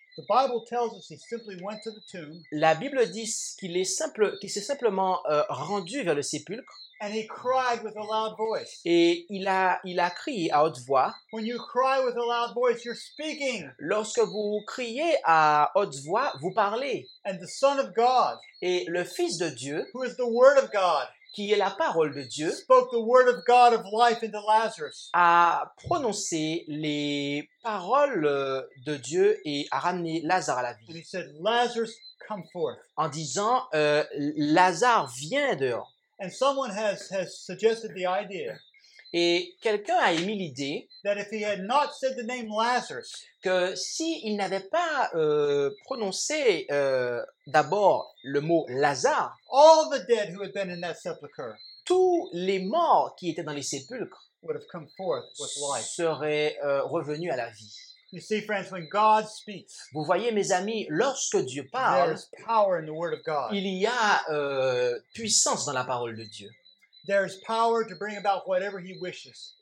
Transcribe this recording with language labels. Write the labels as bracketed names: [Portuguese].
[English] The Bible tells us he simply went to the tomb. [French] La Bible dit qu'il s'est simplement rendu vers le sépulcre. [English] And he cried with a loud voice. [French] Et il a crié à haute voix. [English] When you cry with a loud voice, you're speaking. [French] Lorsque vous criez à haute voix, vous parlez. [English] And the Son of God. [French] Et le Fils de Dieu. [English] Who is the Word of God. [French] Qui est la parole de Dieu. [English] Spoke the Word of God of life into Lazarus. [French] A prononcé les paroles de Dieu et a ramené Lazare à la vie. [English] And he said, Lazarus, come forth. [French] En disant, Lazare, viens dehors. [English] And someone has suggested the idea. [French] Et quelqu'un a émis l'idée. [English] That if he had not said the name Lazarus. [French] Que si il n'avait pas prononcé d'abord le mot Lazare. [English] All the dead who had been in that sepulchre. [French] Tous les morts qui étaient dans les sépulcres. [English] Would have come forth with life. [French] Seraient revenus à la vie. [English] You see, friends, when God speaks. [French] Vous voyez, mes amis, lorsque Dieu parle. [English] There is power in the word of God. [French] Il y a puissance dans la parole de Dieu. [English] There is power to bring about whatever He wishes.